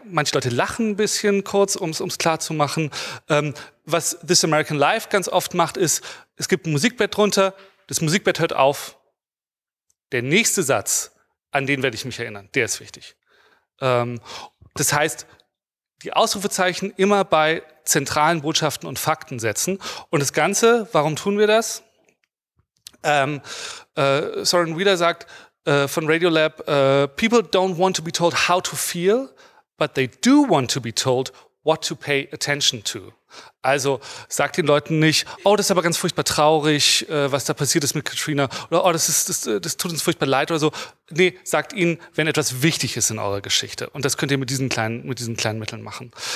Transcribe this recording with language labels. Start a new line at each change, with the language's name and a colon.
German: Manche Leute lachen ein bisschen kurz, um es klar zu machen. Was This American Life ganz oft macht, ist, es gibt ein Musikbett drunter, das Musikbett hört auf. Der nächste Satz, an den werde ich mich erinnern, der ist wichtig. Das heißt, die Ausrufezeichen immer bei zentralen Botschaften und Fakten setzen. Und das Ganze, warum tun wir das?
English: Soren Wheeler
German: sagt von Radiolab,
English: people don't want to be told how to feel, but they do want to be told what to pay attention to.
German: Also sagt den Leuten nicht, oh, das ist aber ganz furchtbar traurig, was da passiert ist mit Katrina, oder oh, das tut uns furchtbar leid oder so. Nee, sagt ihnen, wenn etwas wichtig ist in eurer Geschichte. Und das könnt ihr mit diesen kleinen Mitteln machen.